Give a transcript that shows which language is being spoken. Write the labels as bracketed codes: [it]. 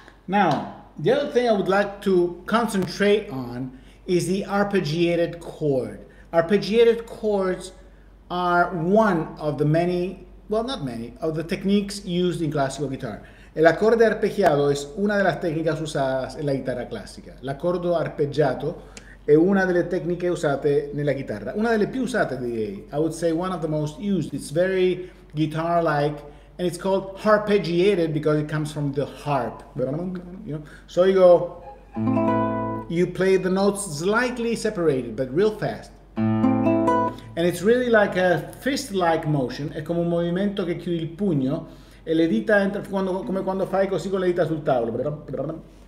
[en] Now, the other thing I would like to concentrate on is the arpeggiated chord. Arpeggiated chords are one of the many, well, not many, of the techniques used in classical guitar. [es] El acorde arpeggiato es una de las técnicas usadas en la guitarra clásica. [it] L'accordo arpeggiato è una delle tecniche usate nella chitarra. Una delle più usate, direi. [en] I would say one of the most used. It's very guitar-like. And it's called harpeggiated because it comes from the harp. You know? So you go, you play the notes slightly separated, but real fast. And it's really like a fist-like motion. [it] È come un movimento che chiudi il pugno e le dita entra quando, come quando fai così con le dita sul tavolo.